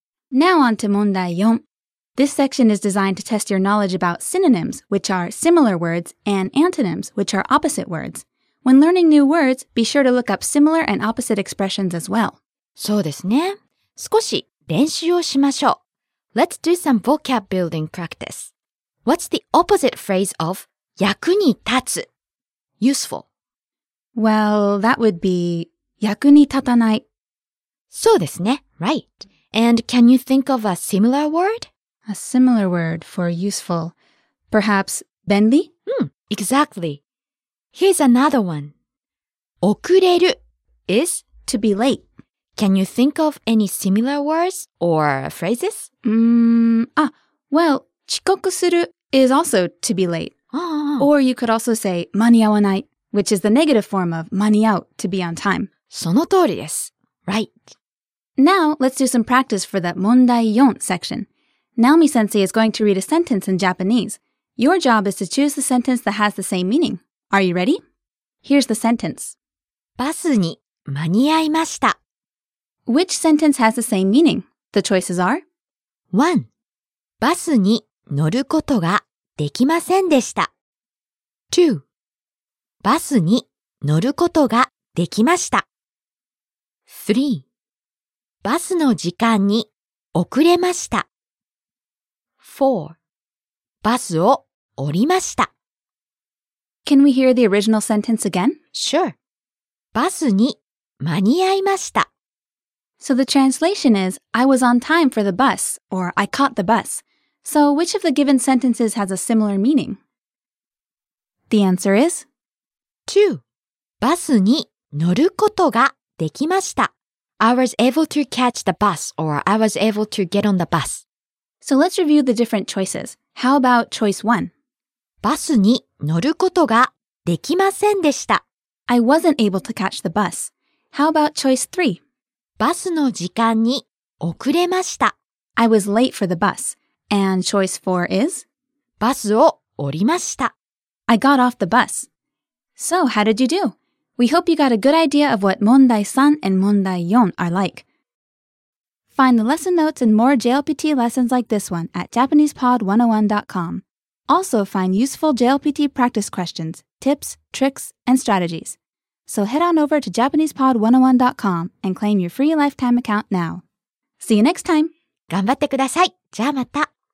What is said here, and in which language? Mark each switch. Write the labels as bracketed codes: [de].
[en] Now on to 問題4. This section is designed to test your knowledge about synonyms, which are similar words, and antonyms, which are opposite words. When learning new words, be sure to look up similar and opposite expressions as well. [ja] そうですね。少し練習をしましょう。 [en] Let's do some vocab building practice. What's the opposite phrase of 役に立つ?Useful. Well, that would be [ja] 役に立たない。そうですね。Right. [en] And can you think of a similar word? A similar word for useful. Perhaps 便利? Exactly. Here's another one. 遅れる is to be late. Can you think of any similar words or phrases? Well, 遅刻する is also to be late. Oh. Or you could also say 間に合わない, which is the negative form of 間に合う, to be on time. [ja] その通りです.Right. [en] Now, let's do some practice for the 問題4 section. Naomi-sensei is going to read a sentence in Japanese. Your job is to choose the sentence that has the same meaning. Are you ready? Here's the sentence. [ja] バスに間に合いました。 [en] Which sentence has the same meaning? The choices are 1. [ja] バスに乗ることができませんでした。 [en] 2. [ja] バスに乗ることができました。 [en] 3. [ja] バスの時間に遅れました。 4. バスを降りました。 [en] Can we hear the original sentence again? Sure. [ja] バスに間に合いました。 [en] So the translation is, I was on time for the bus, or I caught the bus. So which of the given sentences has a similar meaning? The answer is 2. [ja] バスに乗ることができました。 [en] I was able to catch the bus, or I was able to get on the bus. So let's review the different choices. How about choice 1? [ja] バスに乗ることができませんでした。 [en] I wasn't able to catch the bus. How about choice 3? [ja] バスの時間に遅れました。 [en] I was late for the bus. And choice 4 is? [ja] バスを降りました。 [en] I got off the bus. So, how did you do? We hope you got a good idea of what 問題3 and 問題4 are like. Find the lesson notes and more JLPT lessons like this one at JapanesePod101.com. Also, find useful JLPT practice questions, tips, tricks, and strategies. So head on over to JapanesePod101.com and claim your free lifetime account now. See you next time! [ja] 頑張ってください。じゃあまた。